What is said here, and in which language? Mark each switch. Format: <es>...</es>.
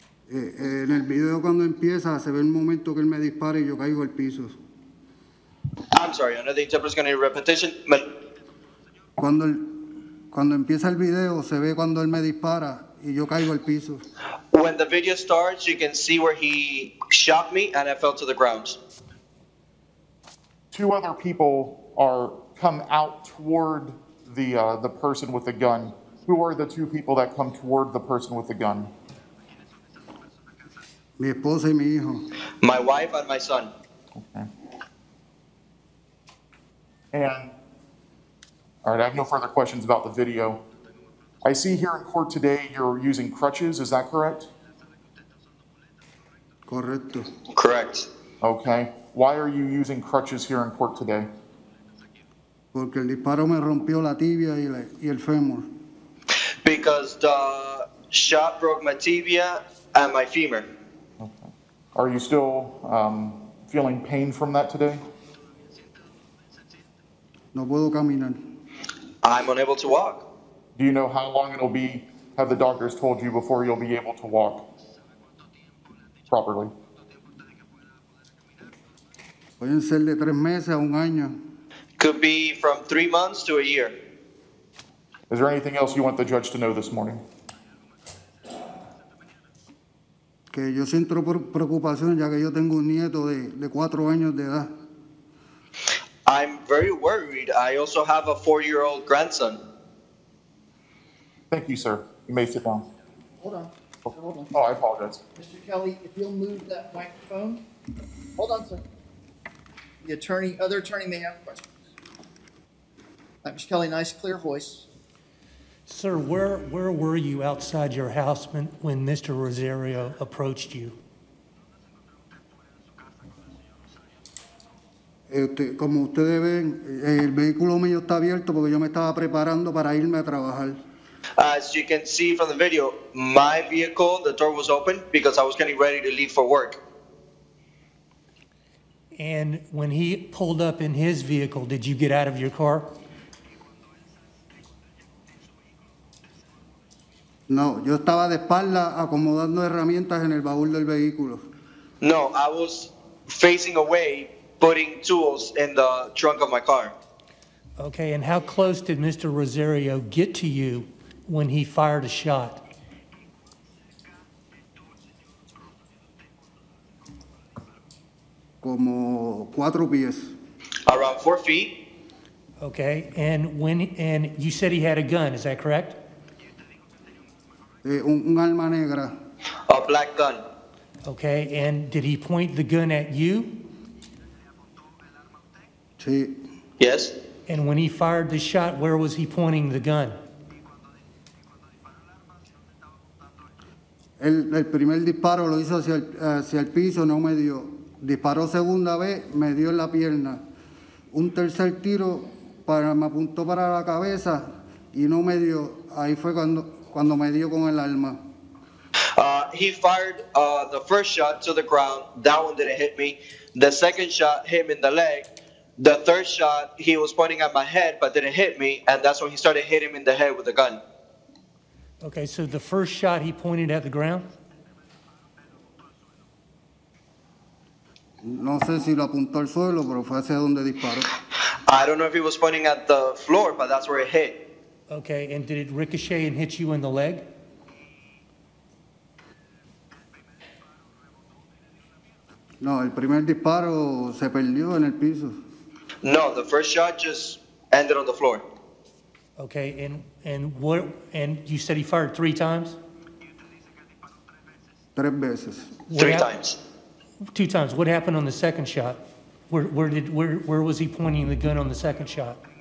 <es>En el video cuando empieza, se ve el momento que él me dispara y yo caigo al piso.</es> <en>I'm sorry, I know the interpreter's going to need a repetition, but...</en> <es>Cuando empieza el video, se ve cuando él me dispara y yo caigo al piso.</es> <en>When the video starts, you can see where he shot me and I fell to the ground. Two other people come out toward the person with the gun. Who are the two people that come toward the person with the gun?</en> <es>Mi esposa y mi hijo.</es> <en>My wife and my son. Okay. And, all right, I have no further questions about the video. I see here in court today you're using crutches, is that correct?</en> <es>Correcto.</es> <en>Correct. Okay. Why are you using crutches here in court today?</en> <es>Porque el disparo me rompió la tibia y el fémur.</es> <en>Because the shot broke my tibia and my femur. Are you still feeling pain from that today?</en> <es>No puedo caminar.</es> <en>I'm unable to walk. Do you know how long it'll be, have the doctors told you, before you'll be able to walk properly?</en> <es>Pueden ser de tres meses a un año.</es> <en>Could be from 3 months to a year. Is there anything else you want the judge to know this morning?</en> <es>Que yo siento preocupación ya que yo tengo un nieto de 4 años de edad.</es> <en>I'm very worried. I also have a 4-year-old grandson. Thank you, sir. You may sit down. Hold on. Oh, I apologize. Mr. Kelly, if you'll move that microphone. Hold on, sir. The other attorney may have questions. Mr. Kelly, nice, clear voice. Sir, where were you outside your house when Mr. Rosario approached you?</en> <es>Como ustedes ven, el vehículo mío está abierto porque yo me estaba preparando para irme a trabajar.</es> <en>As you can see from the video, my vehicle, the door was open because I was getting ready to leave for work. And when he pulled up in his vehicle, did you get out of your car?</en> <es>No, yo estaba de espalda acomodando herramientas en el baúl del vehículo.</es> <en>No, I was facing away, putting tools in the trunk of my car. Okay, and how close did Mr. Rosario get to you when he fired a shot?</en> <es>Como 4 pies.</es> <en>Around 4 feet. Okay, and you said he had a gun, is that correct?</en> <es>Un arma negra.</es> <en>A black gun. Okay, and did he point the gun at you?</en> <es>Sí.</es> <en>Yes. And when he fired the shot, where was he pointing the gun?</en> <es>El primer disparo lo hizo hacia el piso, no me dio. Disparó segunda vez, me dio en la pierna. Un tercer tiro me apuntó para la cabeza y no me dio. Ahí fue cuando me dio con el alma.</es> <en>He fired the first shot to the ground. That one didn't hit me. The second shot hit him in the leg. The third shot, he was pointing at my head, but didn't hit me. And that's when he started hitting him in the head with the gun. Okay, so the first shot he pointed at the ground?</en> <es>No sé si lo apuntó al suelo, pero fue hacia donde disparó.</es> <en>I don't know if he was pointing at the floor, but that's where it hit. Okay, and did it ricochet and hit you in the leg?</en> <es>No, el primer disparo se perdió en el piso.</es> <en>No, the first shot just ended on the floor. Okay, and you said he fired 3 times?</en> <es>3 veces.</es> <en>Two times. What happened on the second shot? Where was he pointing the gun on the second shot?</en>